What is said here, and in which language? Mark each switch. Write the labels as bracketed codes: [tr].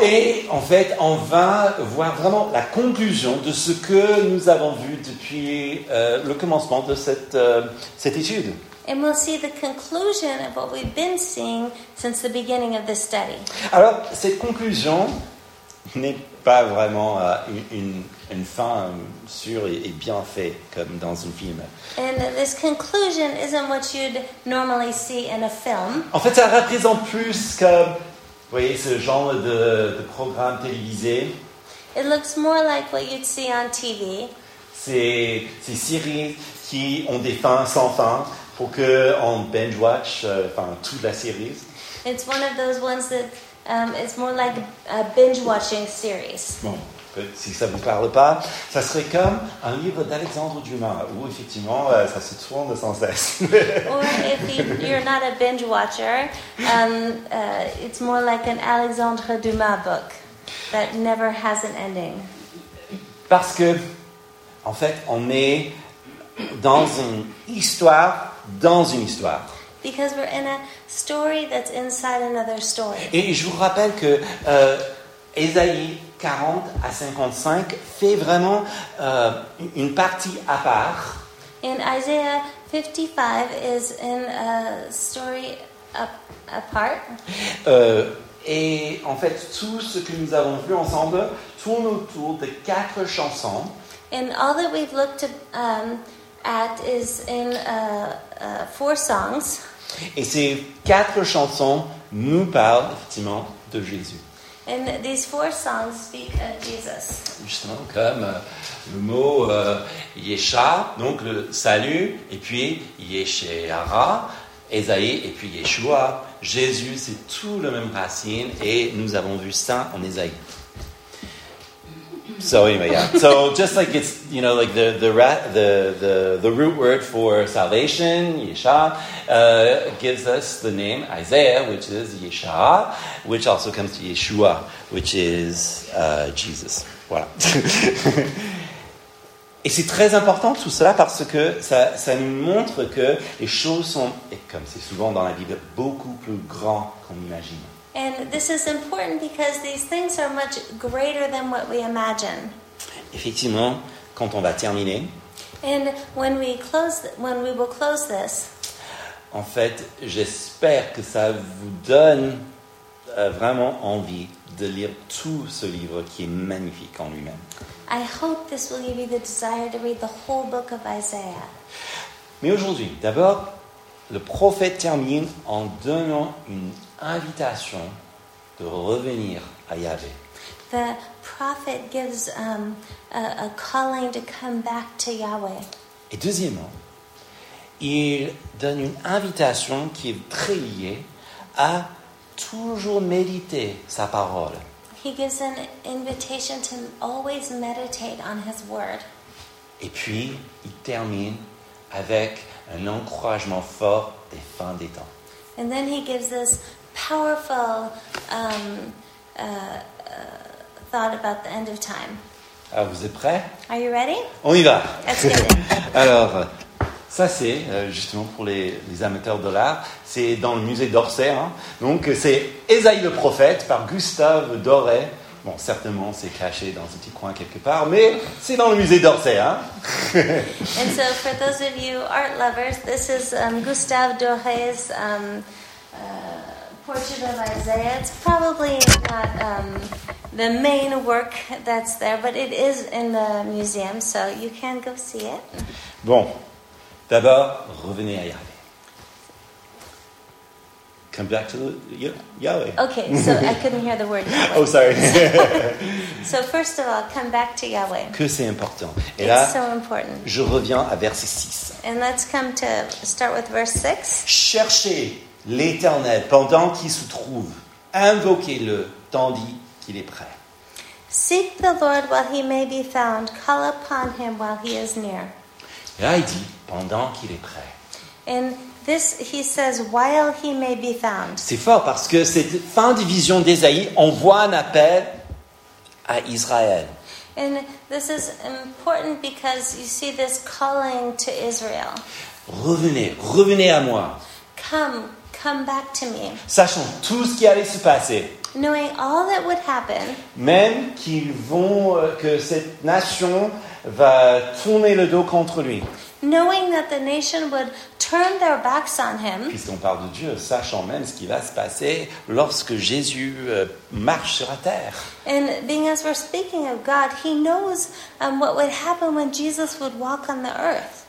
[fr] Et en fait, on va voir vraiment la conclusion de ce que nous avons vu depuis le commencement de cette étude. [en] And we'll see the conclusion of what we've been seeing since the beginning of this study. [fr] Alors, cette conclusion n'est pas vraiment une fin sûre et bien faite comme dans un film. [en] And this conclusion isn't what you'd normally see in a film. [fr] En fait, ça représente plus comme, vous voyez, ce genre de programme télévisé. [en] It looks more like what you'd see on TV. [fr] Ces séries qui ont des fins sans fin pour qu'on binge-watch toute la série. [en] It's one of those ones that it's more like a binge-watching series. [fr] Bon, si ça vous parle pas, ça serait comme un livre d'Alexandre Dumas où effectivement ça se tourne sans cesse. [en] Or if you're not a binge-watcher, it's more like an Alexandre Dumas book that never has an ending. [fr] Parce que, en fait, on est dans une histoire dans une histoire. [en] Because we're in a story that's inside another story. [fr] Et je vous rappelle que Ésaïe 40 à 55 fait vraiment une partie à part. [en] And Isaiah 55 is in a story apart. [fr] Et en fait, tout ce que nous avons vu ensemble tourne autour de quatre chansons. [en] And all that we've looked at is in four songs. [fr] Et ces quatre chansons nous parlent effectivement de Jésus. [en] And these four songs speak of Jesus. [fr] Justement, comme le mot Yesha, donc le salut, et puis Yeshéhara, Ésaïe, et puis Yeshua. Jésus, c'est tout le même racine, et nous avons vu ça en Ésaïe. [en] So anyway, yeah. So just like it's, you know, like the root word for salvation, Yesha, gives us the name Isaiah, which is Yesha, which also comes to Yeshua, which is Jesus. [fr] Voilà. Et c'est très important tout cela parce que ça nous montre que les choses sont, et comme c'est souvent dans la Bible, beaucoup plus grand qu'on imagine. [en] And this is important because these things are much greater than what we imagine. [fr] Effectivement, quand on va terminer. [en] And when we will close this. [fr] En fait, j'espère que ça vous donne vraiment envie de lire tout ce livre qui est magnifique en lui-même. [en] I hope this will give you the desire to read the whole book of Isaiah. [fr] Mais aujourd'hui, d'abord, le prophète termine en donnant une invitation de revenir à Yahvé. [en] The prophet gives a calling to come back to Yahweh. [fr] Et deuxièmement, il donne une invitation qui est très liée à toujours méditer sa parole. [en] He gives an invitation to always meditate on his word. [fr] Et puis, il termine avec un encouragement fort des fins des temps. [en] And then he gives this powerful thought about the end of time. [fr] Alors, vous êtes prêts? [en] Are you ready? [fr] On y va. [en] Let's get it. [fr] Alors, ça c'est justement pour les amateurs de l'art, c'est dans le musée d'Orsay. Hein. Donc c'est Ésaïe le prophète par Gustave Doré. Bon, certainement c'est caché dans un petit coin quelque part, mais c'est dans le musée d'Orsay. Hein. [en] And so for those of you art lovers, this is Gustave Doré's Portrait of Isaiah. It's probably not the main work that's there, but it is in the museum, so you can go see it. [fr] Bon. D'abord, revenez à Yahvé. [en] Come back to Yahweh. Okay, so I couldn't hear the word Yahweh. Oh, sorry. So first of all, come back to Yahweh. [fr] Que c'est important. [en] Et it's là, so important. [fr] Je reviens à verset 6. [en] And let's come to start with verse 6. [fr] Cherchez l'Éternel pendant qu'il se trouve. Invoquez-le tandis qu'il est prêt. [en] Seek the Lord while he may be found. Call upon him while he is near. [fr] Et là, il dit, pendant qu'il est prêt. [en] And this, he says, while he may be found. [fr] C'est fort parce que cette fin de vision d'Ésaïe envoie un appel à Israël. [en] And this is important because you see this calling to Israel. [fr] Revenez, revenez à moi. [en] come back to me. [fr] Sachant tout ce qui allait se passer. [en] Knowing all that would happen. [fr] Même qu'ils vont, que cette nation va tourner le dos contre lui. [en] Knowing that the nation would turn their backs on him. [fr] Puisqu'on parle de Dieu, sachant même ce qui va se passer lorsque Jésus marche sur la terre. [en] And being as we're speaking of God, he knows what would happen when Jesus would walk on the earth.